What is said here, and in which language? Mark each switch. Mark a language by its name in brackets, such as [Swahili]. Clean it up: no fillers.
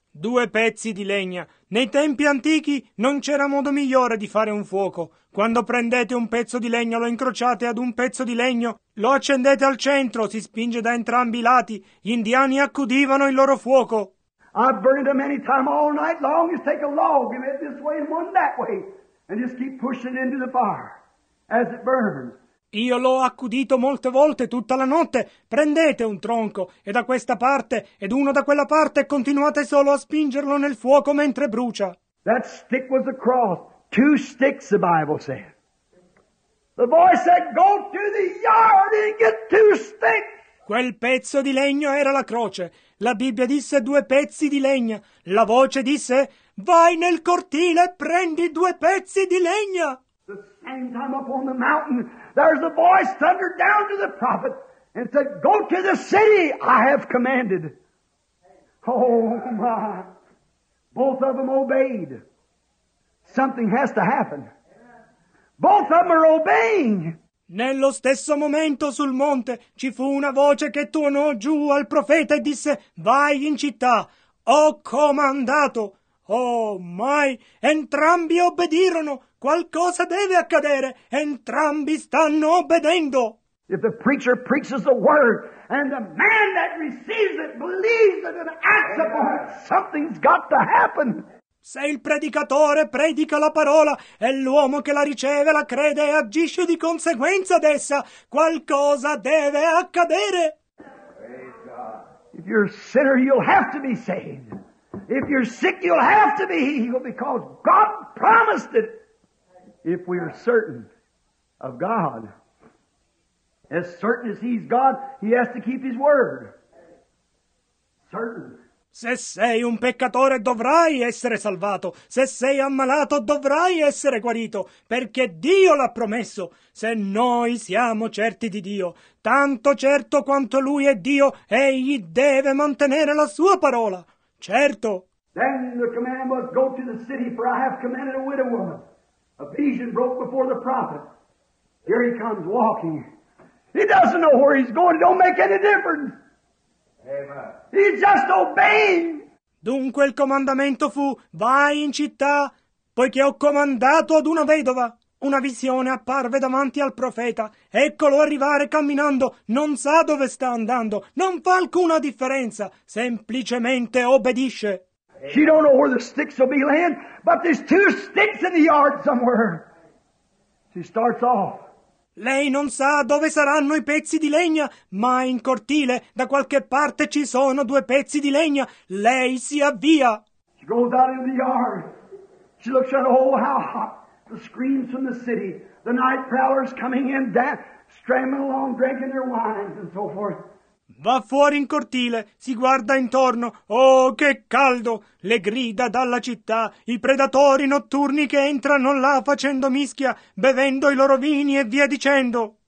[Italian] Due pezzi di legna. Nei tempi antichi non c'era modo migliore di fare un fuoco. Quando prendete un pezzo di legno, lo incrociate ad un pezzo di legno, lo accendete al centro, si spinge da entrambi i lati. Gli indiani accudivano il loro fuoco. [English] I've burned them any time all night long. Just take a log and it this way and one that way. And just keep pushing into the fire as it burns. [Italian] Io l'ho accudito molte volte tutta la notte. Prendete un tronco e da questa parte ed uno da quella parte e continuate solo a spingerlo nel fuoco mentre brucia. [English] That stick was a cross. Two sticks, the Bible said. The voice said, go to the yard and get two sticks. [Italian] Quel pezzo di legno era la croce. La Bibbia disse due pezzi di legna. La voce disse, vai nel cortile e prendi due pezzi di legna. [English] The same time up on the mountain, there's a voice thundered down to the prophet and said, go to the city I have commanded. Oh my, both of them obeyed. Something has to happen. Both of them are obeying. [Italian] Nello stesso momento sul monte ci fu una voce che tuonò giù al profeta e disse, vai in città, ho comandato. Oh my, entrambi obbedirono. Qualcosa deve accadere. Entrambi stanno obbedendo. [English] If the preacher preaches the word and the man that receives it believes it and acts upon it, something's got to happen. [Italian] Se il predicatore predica la parola e l'uomo che la riceve la crede e agisce di conseguenza d'essa, qualcosa deve accadere. [English] If you're a sinner, you'll have to be saved. If you're sick, you'll have to be healed because God promised it. If we are certain of God, as certain as He's God, He has to keep His word. Certain. [Italian] Se sei un peccatore, dovrai essere salvato. Se sei ammalato, dovrai essere guarito. Perché Dio l'ha promesso. Se noi siamo certi di Dio, tanto certo quanto Lui è Dio, Egli deve mantenere la Sua parola. Certo. [English] Then the command was, go to the city, for I have commanded a widow woman. A vision broke before the prophet. Here he comes walking. He doesn't know where he's going. It don't make any difference. Amen. He's just obeying. [Italian] Dunque il comandamento fu, vai in città, poiché ho comandato ad una vedova. Una visione apparve davanti al profeta. Eccolo arrivare camminando. Non sa dove sta andando. Non fa alcuna differenza. Semplicemente obbedisce. [English] She don't know where the sticks will be laying, but there's two sticks in the yard somewhere. She starts off. [Italian] Lei non sa dove saranno i pezzi di legna, ma in cortile, da qualche parte ci sono due pezzi di legna. Lei si avvia. [English] She goes out in the yard. She looks at, oh, how hot. The screams from the city. The night prowlers coming in, stramming along, drinking their wine, and so forth. [Italian] Va fuori in cortile, si guarda intorno. Oh, che caldo! Le grida dalla città, i predatori notturni che entrano là facendo mischia, bevendo i loro vini e via dicendo.